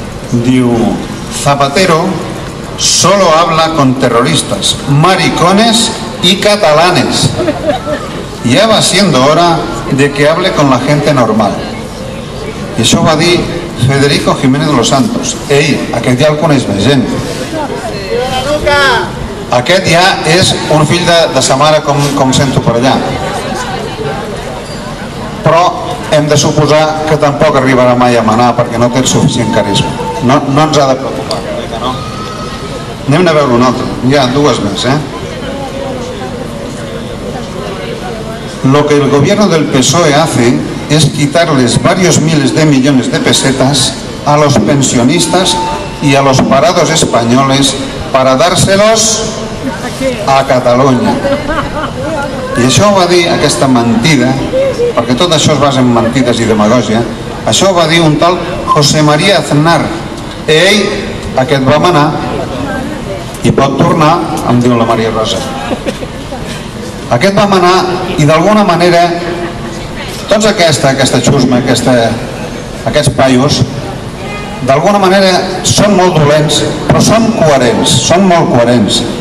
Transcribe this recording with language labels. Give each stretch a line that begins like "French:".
Spanish: Diu: Zapatero solo habla con terroristas, maricones y catalanes. Ya va siendo hora de que hable con la gente normal.
Catalan: I això ho va dir Federico Jiménez de los Santos. Ei, aquest ja el coneix més gent. Aquest ja és un fill de sa mare, com sento per allà. Però hem de suposar que tampoc arribarà mai a manar, perquè no té suficient carisma. No ens ha de preocupar. Anem a veure un altre. Hi ha dues més, eh?
Spanish: Lo que el gobierno del PSOE hace es quitarles varios miles de millones de pesetas a los pensionistas y a los parados españoles para dárselos a Catalunya.
Catalan: I això ho va dir aquesta mentida, perquè tot això es basa en mentides i demagògia, això ho va dir un tal José María Aznar. Ell, aquest va manar i pot tornar, em diu la Maria Rosa. Aquest va manar i d'alguna manera tots aquesta xusma, aquests paios, d'alguna manera són molt dolents, però són coherents, són molt coherents.